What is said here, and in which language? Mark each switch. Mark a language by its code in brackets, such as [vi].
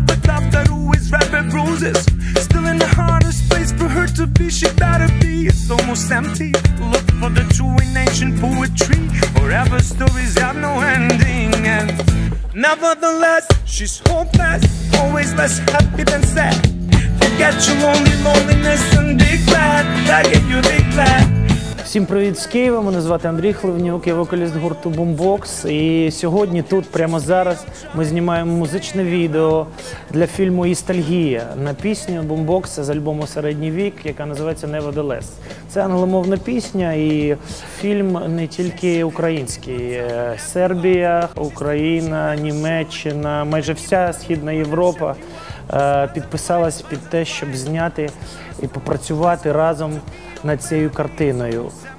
[en] But love that always wrapped roses, still in the hardest place for her to be. She better be, it's almost empty. Look for the true in ancient poetry. Forever stories have no ending. And nevertheless, she's hopeless, always less happy than sad. Forget your lonely loneliness and be glad. I'll give you the glad. [uk] Всім привіт з Києва, мене звати Андрій Хливнюк, я вокаліст гурту Boombox. І сьогодні тут, прямо зараз, ми знімаємо музичне відео для фільму «Істальгія» на пісню Boombox з альбому «Середній вік», яка називається «Nevertheless». Це англомовна пісня і фільм не тільки український. Сербія, Україна, Німеччина, майже вся Східна Європа підписалась під те, щоб зняти і попрацювати разом над цією картиною.